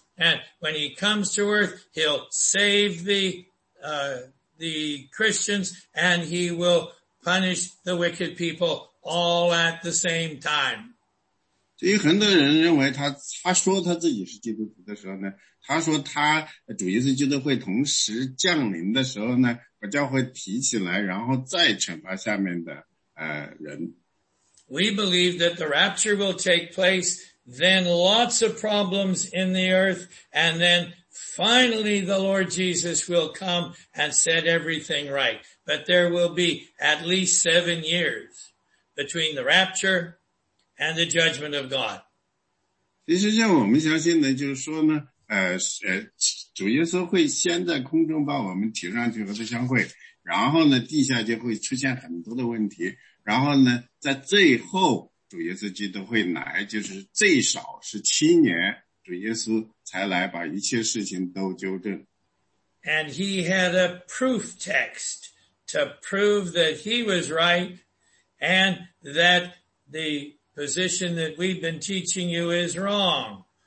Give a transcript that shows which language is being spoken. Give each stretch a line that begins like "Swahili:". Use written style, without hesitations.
English: And when he comes to earth, he'll save the Christians and he will punish the wicked people all at the same time.
Chinese: 所以很多人认为他说他自己是基督徒的时候呢，他说他主耶稣基督会同时降临的时候呢，把教会提起来，然后再惩罚下面的人。
English: We believe that the rapture will take place, then lots of problems in the earth, and then finally the Lord Jesus will come and set everything right. But there will be at least 7 years between the rapture. And the judgment of God.
Chinese: 其实像我们相信呢，就是说呢，主耶稣会先在空中把我们提上去和他相会，然后呢，地下就会出现很多的问题，然后呢，在最后主耶稣基督会来，就是最少是7年，主耶稣才来把一切事情都纠正。
English: And he had a proof text to prove that he was right, and that the position that we've been teaching you is wrong.